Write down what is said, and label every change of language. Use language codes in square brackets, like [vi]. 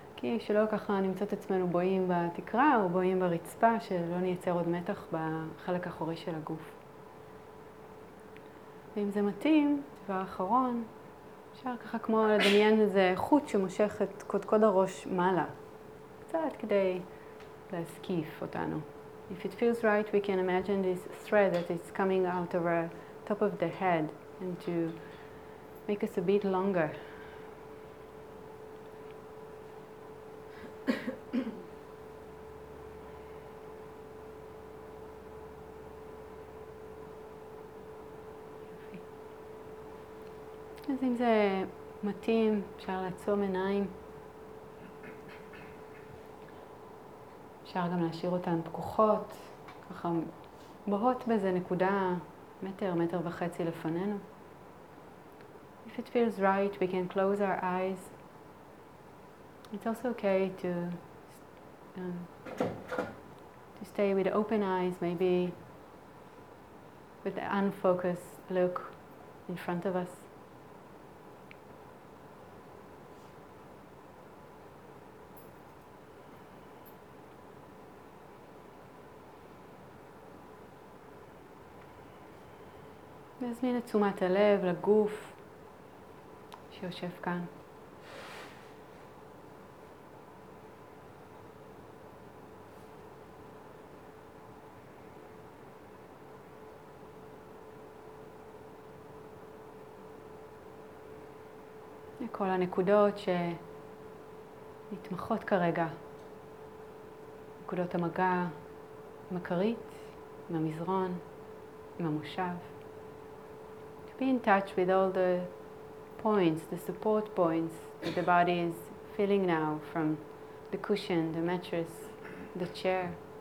[he] כי שלא ככה נמצאת עצמנו בועים בתקרה או בועים ברצפה, שלא נייצר עוד מתח בחלק האחורי של הגוף. ואם זה מתאים, דבר אחרון, אפשר ככה כמו לדמיין איזה חוט שמושך את קודקוד הראש מעלה, קצת כדי להסקיף אותנו. [en] If it feels right, we can imagine this thread that is coming out of the top of the head and to make us a bit longer. [he] אז אם זה מתאים, אפשר לעצום עיניים. אפשר גם להשאיר אותן פקוחות, ככה בוהות באיזה נקודה מטר, מטר וחצי לפנינו. [en] If it feels right, we can close our eyes. It's also okay to to stay with open eyes, maybe with an unfocused look in front of us. [he] נזמין את תשומת הלב לגוף שיושב כאן. לכל הנקודות שנתמכות כרגע. נקודות המגע עם הכרית, עם המזרון, עם המושב. [en] Be in touch with all the points, the support points that the body is feeling now, from the cushion, the mattress, the chair.